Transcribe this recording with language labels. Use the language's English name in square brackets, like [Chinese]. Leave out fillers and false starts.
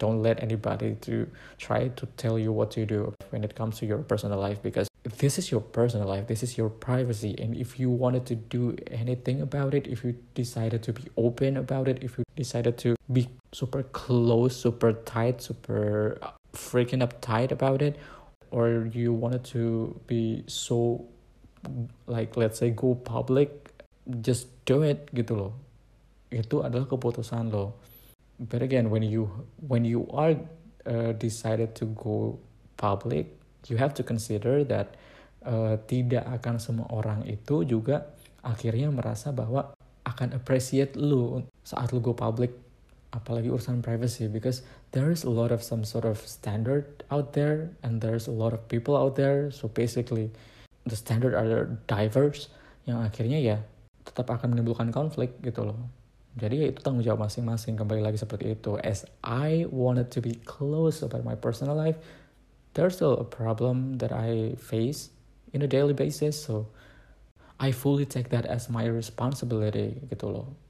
[English] Don't let anybody to try to tell you what to do when it comes to your personal life, because this is your personal life, this is your privacy, and if you wanted to do anything about it, if you decided to be open about it, if you decided to be super close, super tight, super freaking uptight about it, or you wanted to be so, like, let's say go public, just do it [Indonesian] gitu loh. Itu adalah keputusan lo. [English] But again, when you are decided to go public, you have to consider that [Indonesian] tidak akan semua orang itu juga akhirnya merasa bahwa akan [English] appreciate lo saat lo go public, apalagi urusan privacy, because there is a lot of some sort of standard out there and there's a lot of people out there, so basically the standard are diverse, [Indonesian] yang akhirnya ya tetap akan menimbulkan konflik gitu loh. Jadi ya itu tanggung jawab masing-masing, kembali lagi seperti itu. [English] As I wanted to be close about my personal life, there's still a problem that I face in a daily basis, so I fully take that as my responsibility [Indonesian] gitu loh.